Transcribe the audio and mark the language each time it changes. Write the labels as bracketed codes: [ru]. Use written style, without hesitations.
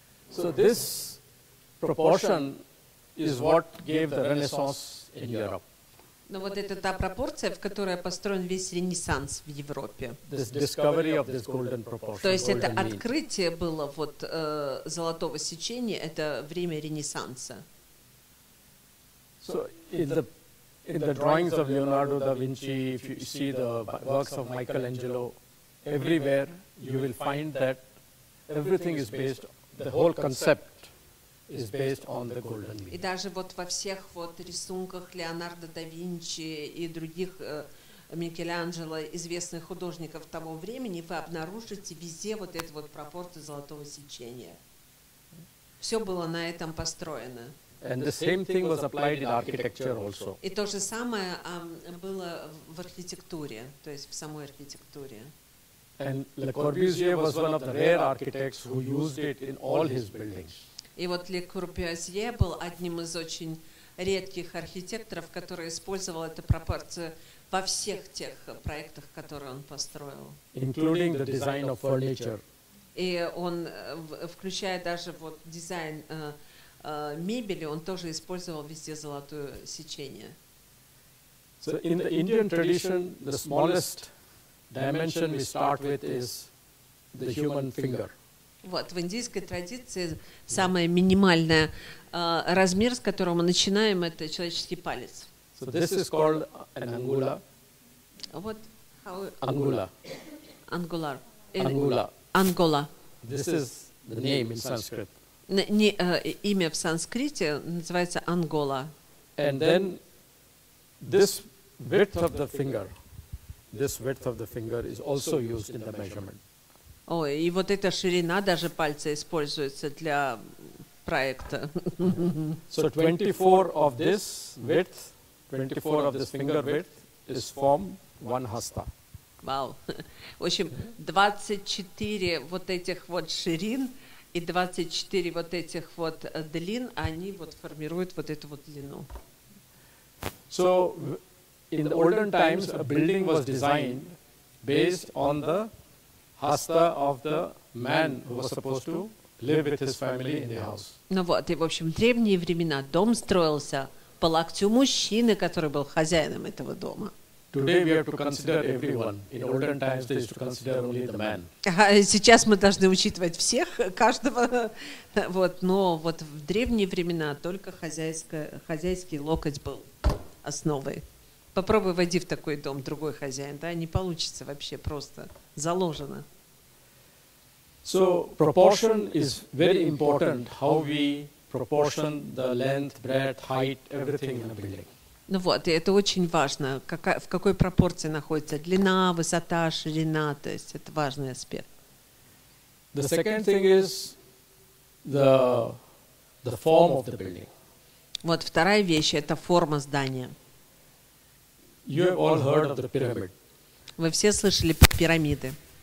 [en] So this proportion is what gave the Renaissance in Europe. [ru] Но вот это та пропорция, в которой построен весь Ренессанс в Европе. [en] This discovery of this golden proportion. [ru] То есть это открытие было вот золотого сечения, это время Ренессанса. [en] So in the drawings of Leonardo da Vinci, if you see the works of Michelangelo, everywhere you will find that everything is based, the whole concept is based on the golden mean. [ru] И даже вот во всех вот рисунках Леонардо да Винчи и других Микеланджело, известных художников того времени, вы обнаружите везде вот эту вот пропорцию золотого сечения. Все было на этом построено. [en] And the same thing was applied in architecture also. [ru] И то же самое было в архитектуре, то есть в самой архитектуре. [en] And Le Corbusier was one of the rare architects who used it in all his buildings. [ru] И вот Le Corbusier был одним из очень редких архитекторов, который использовал эту пропорцию во всех тех проектах, которые он построил. [en] Including the design of furniture. [ru] И он, включая даже вот дизайн мебели, он тоже использовал везде золотое сечение. [en] So in the Indian tradition, the smallest dimension we start with is the human finger. [ru] Вот, в индийской традиции самый минимальный размер, с которого мы начинаем, это человеческий палец. [en] So this is called an angula. What? How? Angula. Angular. Angula. Angola. This is the name in Sanskrit. [ru] Имя в санскрите называется Angola. [en] And then this width of the finger. This width of the finger is also used in the measurement. [ru] Oh, и вот эта ширина даже пальца используется для проекта. [en] So 24 of this width, 24 of this finger width is form one hasta. Wow. [ru] В общем, 24 вот этих вот ширин и 24 вот этих вот длин, они вот формируют вот эту вот длину. [en] So in the olden times, a building was designed based on the hasta of the man who was supposed to live with his family in the house. [ru] Ну вот, и в общем, в древние времена дом строился по локтю мужчины, который был хозяином этого дома. [en] Today we have to consider everyone. In olden times, they used to consider only the man. [ru] Сейчас мы должны учитывать всех, каждого. Вот, но вот в древние времена только хозяйский локоть был основой. Попробуй войди в такой дом, другой хозяин, да, не получится вообще, просто заложено. [en] So proportion is very important, how we proportion the length, breadth, height, everything in a building. [ru] Ну вот, и это очень важно, в какой пропорции находится длина, высота, ширина, то есть это важный аспект. [en] The second thing is the form of the building. [ru] Вот вторая вещь, это форма здания. [en] You have all heard of the pyramid. [ru] Вы все слышали пирамиды.